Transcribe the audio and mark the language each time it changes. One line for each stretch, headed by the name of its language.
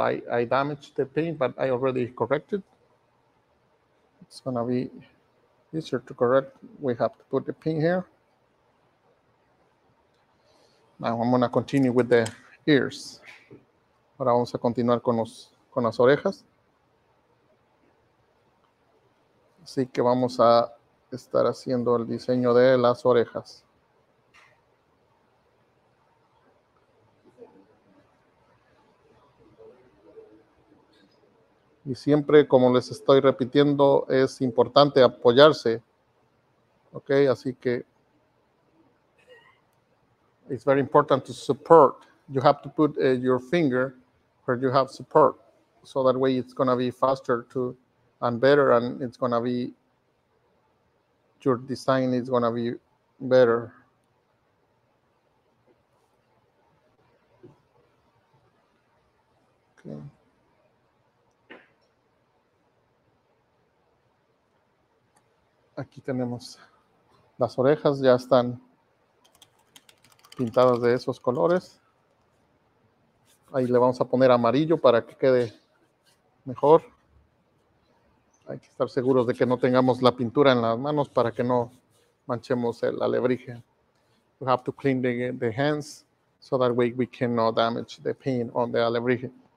English: I damaged the paint, but I already corrected. It's going to be easier to correct. We have to put the paint here. Now I'm going to continue with the ears.
Spanish: Ahora vamos a continuar con las orejas. Así que vamos a estar haciendo el diseño de las orejas. Y siempre, como les estoy repitiendo, es importante apoyarse.
English: Ok,
Spanish: así que
English: it's very important to support. You have to put your finger where you have support. So that way it's going to be faster to and better, and it's going to be your design is going to be better. Okay.
Spanish: Aquí tenemos las orejas, ya están pintadas de esos colores. Ahí le vamos a poner amarillo para que quede mejor. Hay que estar seguros de que no tengamos la pintura en las manos para que no manchemos el alebrije.
English: We have to clean the hands so that way we cannot damage the paint on the alebrije.